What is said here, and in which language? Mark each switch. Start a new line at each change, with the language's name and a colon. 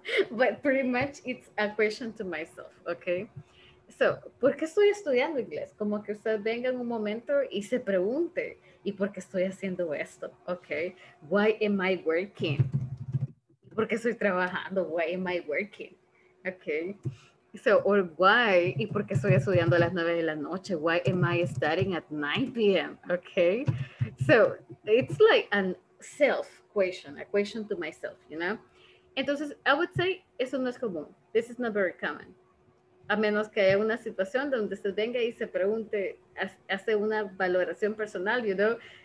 English: But pretty much it's a question to myself, okay?
Spanish: So, ¿por qué estoy estudiando inglés? Como que usted venga en un momento y se pregunte, ¿y por qué estoy haciendo esto?
English: Okay, why am I working?
Spanish: ¿Por qué estoy trabajando?
English: Why am I working? Okay, so, or why,
Spanish: ¿y por qué estoy estudiando a las 9 de la noche?
English: Why am I studying at 9 p.m.? Okay, so, it's like an self-question, a question to myself, you know?
Spanish: Entonces,
English: I would say,
Spanish: eso no es común.
English: This is not very common.
Spanish: A menos que haya una situación donde usted venga y se pregunte, hace una valoración personal,
English: you know?